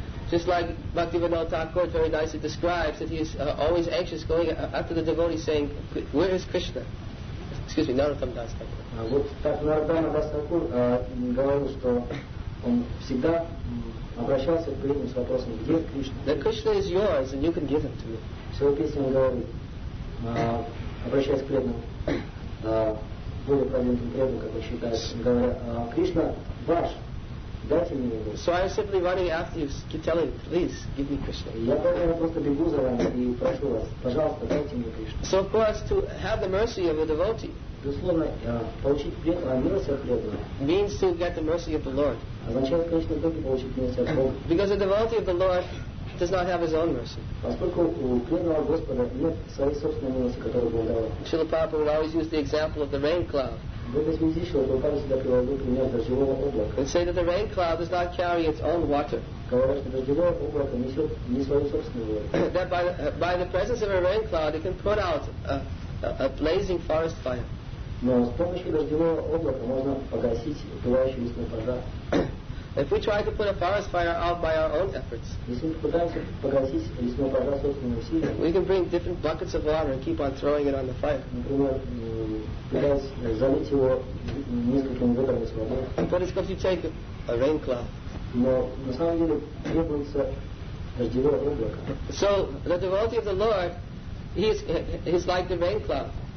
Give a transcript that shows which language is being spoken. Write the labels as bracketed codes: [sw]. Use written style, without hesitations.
[en] Just like Bhaktivinoda Thakur very nicely describes that he is always anxious going after the devotee saying, where is Krishna? Excuse me, Narottam Das Thakur. [ru] Вот так Нарадама Дас Такур говорил, что он всегда обращался к Кришне с вопросом, где Кришна? [en] The Krishna is yours and you can give him to me. [ru] В своей песне он говорит, обращаясь к преданным, более продвинутым преданным, как он считает, говоря, Кришна ваш, дайте мне его. [en] So I'm simply running after you, keep telling, please, give me Krishna. [ru] Я просто бегу за вами и прошу вас, пожалуйста, дайте мне Кришну. [en] So of course, to have the mercy of a devotee, [ru] безусловно, получить милость от преданного [en] means to get the mercy of the Lord. [ru] Означает, конечно, только получить милость от Бога. [en] Because the devotee of the Lord does not have his own mercy. [ru] Поскольку у преданного Господа нет своей собственной милости, которую Бог дал. [en] Srila Prabhupada would always use the example of the rain cloud. [ru] В этой связи Srila Prabhupada всегда приводил пример дождевого облака. [en] And say that the rain cloud does not carry its own water. [ru] Говорят, что дождевое облако несет не свою собственную воду. [en] That by the presence of a rain cloud, it can put out a blazing forest fire. [ru] Но с помощью дождевого облака можно погасить пылающий лесной пожар. [en] If we try to put a forest fire out by our own efforts, [ru] если мы пытаемся погасить лесной пожар собственными усилиями, [en] we can bring different buckets of water and keep on throwing it on the fire. [ru] Например, пытаясь залить его несколькими ведрами с водой. [en] But it's going to take a rain cloud. [ru] Но на самом деле требуется дождевое облако. [en] So the devotee of the Lord, he's like the rain cloud.